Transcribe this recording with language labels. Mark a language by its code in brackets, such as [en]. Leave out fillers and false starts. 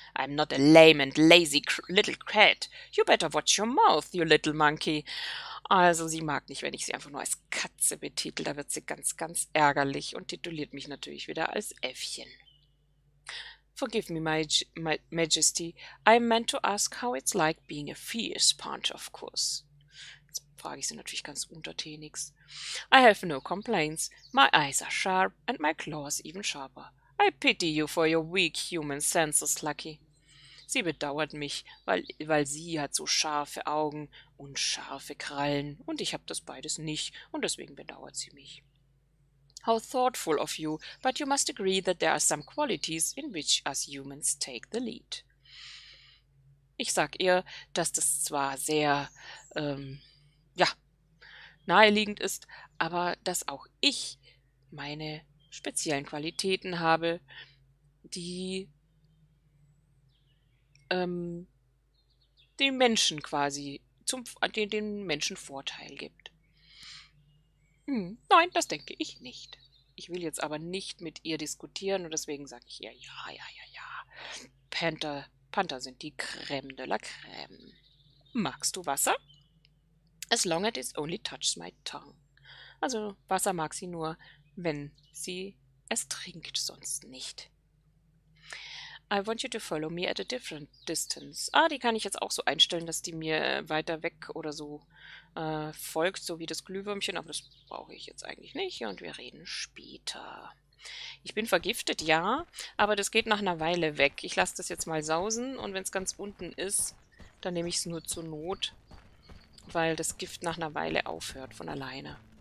[en] I'm not a lame and lazy little cat. You better watch your mouth, you little monkey. [de] Also, sie mag nicht, wenn ich sie einfach nur als Katze betitel. Da wird sie ganz, ganz ärgerlich und tituliert mich natürlich wieder als Äffchen. [en] Forgive me, my Majesty. I'm meant to ask how it's like being a fierce panther, of course. [de] Jetzt frage ich sie natürlich ganz untertänigst. [en] I have no complaints. My eyes are sharp and my claws even sharper. I pity you for your weak human senses, Lucky. [de] Sie bedauert mich, weil sie hat so scharfe Augen und scharfe Krallen und ich habe das beides nicht und deswegen bedauert sie mich. [en] How thoughtful of you, but you must agree that there are some qualities in which us humans take the lead. [de] Ich sag ihr, dass das zwar sehr, ja, naheliegend ist, aber dass auch ich meine speziellen Qualitäten habe, die den Menschen quasi zum den Menschen Vorteil gibt. Nein, das denke ich nicht. Ich will jetzt aber nicht mit ihr diskutieren und deswegen sage ich ihr, ja. Panther Panther sind die Crème de la Crème. Magst du Wasser? [en] As long as it only touches my tongue. [de] Also Wasser mag sie nur, wenn sie es trinkt, sonst nicht. [en] I want you to follow me at a different distance. [de] Ah, die kann ich jetzt auch so einstellen, dass die mir weiter weg oder so folgt, so wie das Glühwürmchen. Aber das brauche ich jetzt eigentlich nicht. Und wir reden später. Ich bin vergiftet, ja, aber das geht nach einer Weile weg. Ich lasse das jetzt mal sausen und wenn es ganz unten ist, dann nehme ich es nur zur Not, weil das Gift nach einer Weile aufhört von alleine.